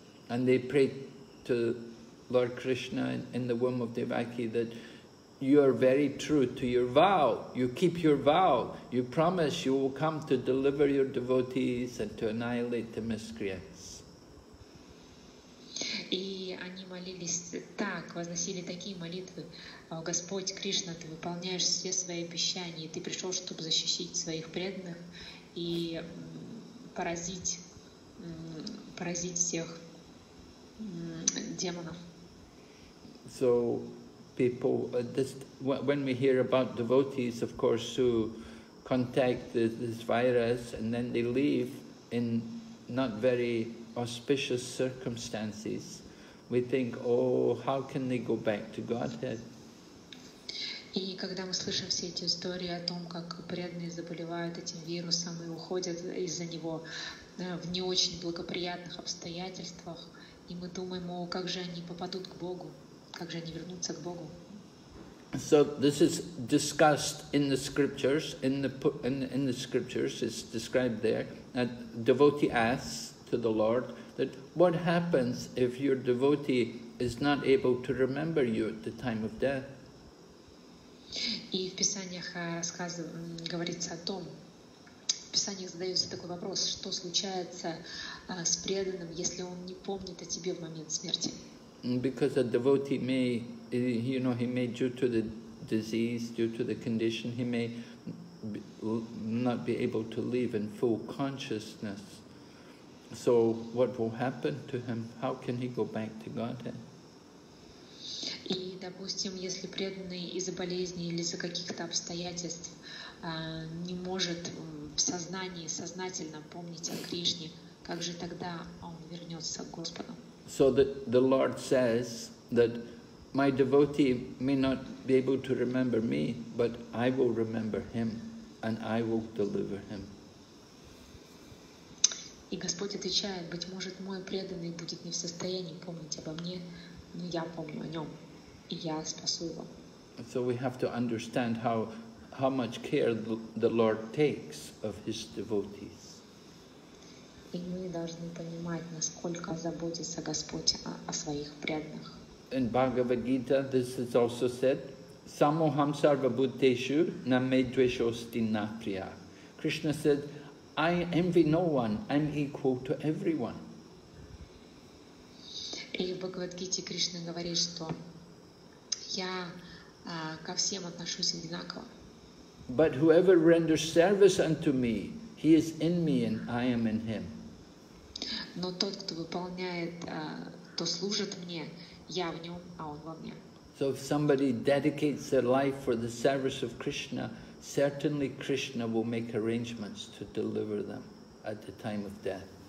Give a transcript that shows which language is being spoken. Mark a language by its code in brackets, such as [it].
[en] And they prayed to Lord Krishna in the womb of Devaki that you are very true to your vow, you keep your vow, you promise you will come to deliver your devotees and to annihilate the miscreants. [ru] И они молились так, возносили такие молитвы: Господь Кришна, ты выполняешь все свои обещания, ты пришел, чтобы защитить своих преданных и поразить всех демонов. [en] So people, just when we hear about devotees, of course, who contact this virus and then they leave in not very auspicious circumstances, we think, oh, how can they go back to Godhead? [ru] И когда мы слышим все эти истории о том, как преданные заболевают этим вирусом и уходят из-за него в не очень благоприятных обстоятельствах, и мы думаем, о, как же они попадут к Богу, как же они вернутся к Богу? [en] So this is discussed in the scriptures. In the scriptures, it's described there that devotee asks to the Lord, that what happens if your devotee is not able to remember you at the time of death? [ru] И в писаниях говорится о том, в писаниях задается такой вопрос: что случается с преданным, если он не помнит о тебе в момент смерти? [en] Because a devotee may, you know, he may, due to the disease, due to the condition, he may not be able to live in full consciousness. So what will happen to him? How can he go back to Godhead? [ru] И, допустим, если преданный из-за болезни или из-за каких-то обстоятельств не может в сознании сознательно помнить о Кришне, как же тогда он вернется к Господу? [en] So the Lord says that my devotee may not be able to remember me, but I will remember him. and I will deliver him. [ru] И Господь отвечает: быть может, мой преданный будет не в состоянии помнить обо мне, но я помню о нем, и я спасу его. [en] So we have to understand how much care the Lord takes of his devotees. [ru] И мы должны понимать, насколько заботится Господь о своих преданных. [en] In Bhagavad Gita, this is also said: [sa] Samoham sarvabhuteshu namedveshosti napriya. [en] Krishna said, I envy no one, I'm equal to everyone. [ru] И в Бхагавад-гите Кришна говорит, что я ко всем отношусь одинаково. [en] But whoever renders service unto me, he is in me and I am in him. [ru] Но тот, кто выполняет, то служит мне, я в нем, а он во мне. [en] So if somebody dedicates their life for the service of Krishna, certainly Krishna will make arrangements to deliver them at the time of death.